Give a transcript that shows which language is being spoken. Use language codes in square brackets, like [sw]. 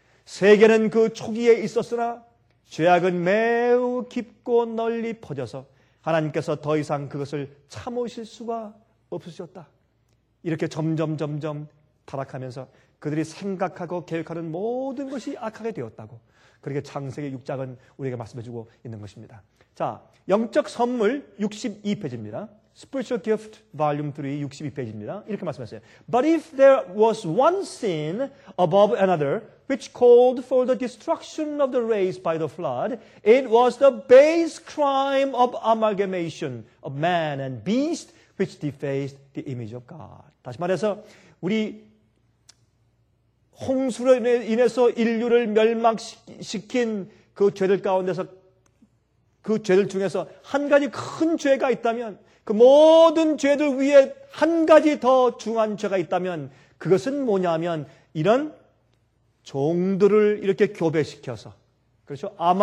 [ko] 세계는 그 초기에 있었으나 죄악은 매우 깊고 널리 퍼져서 하나님께서 더 이상 그것을 참으실 수가 없으셨다. 이렇게 점점 타락하면서 그들이 생각하고 계획하는 모든 것이 악하게 되었다고 그렇게 창세기 6장은 우리에게 말씀해주고 있는 것입니다. 자, 영적 선물 62페이지입니다. Spiritual Gift Volume 3 62페이지입니다. 이렇게 말씀하셨어요. [en] But if there was one sin above another which called for the destruction of the race by the flood, it was the base crime of amalgamation of man and beast which defaced the image of God. [ko] 다시 말해서 우리 홍수로 인해서 인류를 멸망시킨 그 죄들 가운데서 그 죄들 중에서 한 가지 큰 죄가 있다면 그 모든 죄들 위에 한 가지 더 중한 죄가 있다면 그것은 뭐냐면 이런 종들을 이렇게 교배시켜서 그렇죠?